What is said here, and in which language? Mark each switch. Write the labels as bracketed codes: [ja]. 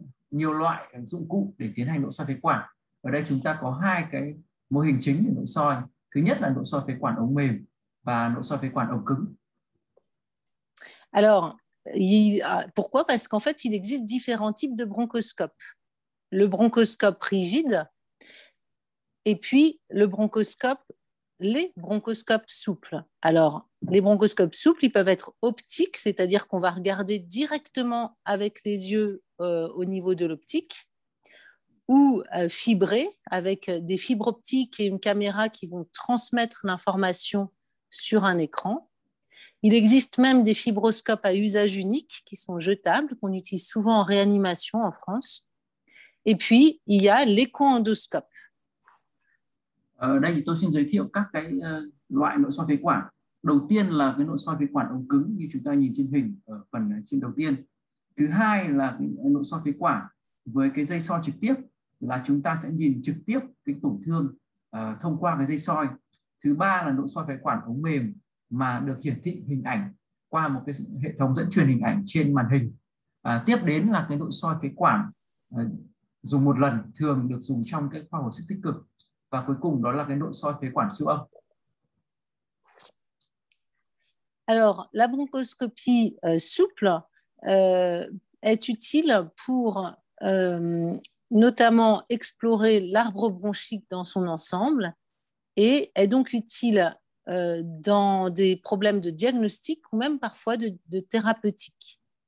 [vi] Nhiều loại dụng cụ để tiến hành nội soi phế quản. Ở đây chúng ta có hai cái mô hình chính để nội soi. Thứ nhất là nội soi phế quản ống mềm và nội soi phế quản ống cứng. [fr] Alors, pourquoi? Parce qu'en fait, il existe différents types de bronchoscopes. Le bronchoscope rigide et puis les bronchoscopes souples. Alors, les bronchoscopes souples, ils peuvent être optiques, c'est-à-dire qu'on va regarder directement avec les yeux au niveau de l'optique, ou fibrés avec des fibres optiques et une caméra qui vont transmettre l'information sur un écran. Il existe même des fibroscopes à usage unique qui sont jetables, qu'on utilise souvent en réanimation en France. Et puis, il y a l'éco-endoscope. [vi] Ở đây thì tôi xin giới thiệu các cái loại nội soi phế quản. Đầu tiên là cái nội soi phế quản ống cứng như chúng ta nhìn trên hình ở phần trên đầu tiên. Thứ hai là cái nội soi phế quản với cái dây soi trực tiếp, là chúng ta sẽ nhìn trực tiếp cái tổn thương thông qua cái dây soi. Thứ ba là nội soi phế quản ống mềm mà được hiển thị hình ảnh qua một cái hệ thống dẫn truyền hình ảnh trên màn hình. Tiếp đến là cái nội soi phế quản dùng một lần, thường được dùng trong cái khoa hồi sức tích cực. Và cuối cùng đó là cái nội soi phế quản siêu âm. [fr] Alors, la bronchoscopie souple est utile pour notamment explorer l'arbre bronchique dans son ensemble et est donc utile dans des problèmes de diagnostic ou même parfois de thérapeutique.